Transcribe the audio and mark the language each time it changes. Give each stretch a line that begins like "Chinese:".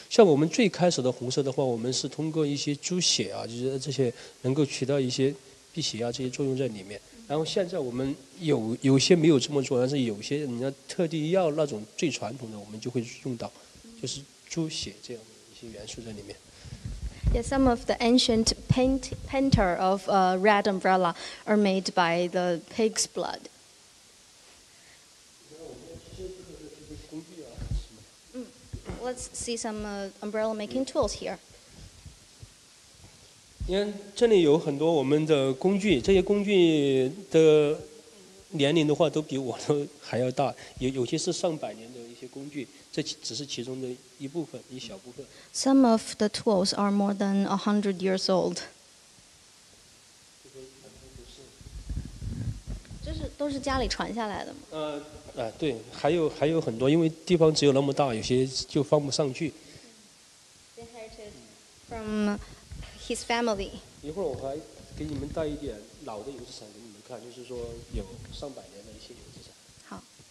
Chinese: 像我们最开始的红色的话，我们是通过一些猪血啊，就是这些能够起到一些辟邪啊这些作用在里面。然后现在我们有些没有这么做，但是有些人家特地要那种最传统的，我们就会用到就是猪血这样的一些元素在里面。
English: Yeah, some of the ancient painter of a red umbrella are made by the pig's blood. Let's see some umbrella making tools here.
Chinese: 你看，这里有很多我们的工具，这些工具的年龄的话都比我都还要大，有些是上百年的一些工具，这只是其中的一部分，一小部分。
English: Some of the tools are more than 100 years old.
Chinese: 这是都是家里传下来的吗？对，还有很多，因为地方只有那么大，有些就放不上去。
English: Inherited from his family.
Chinese: 一会儿我还给你们带一点老的油纸伞给你们看，就是说有上百年的一些油纸伞。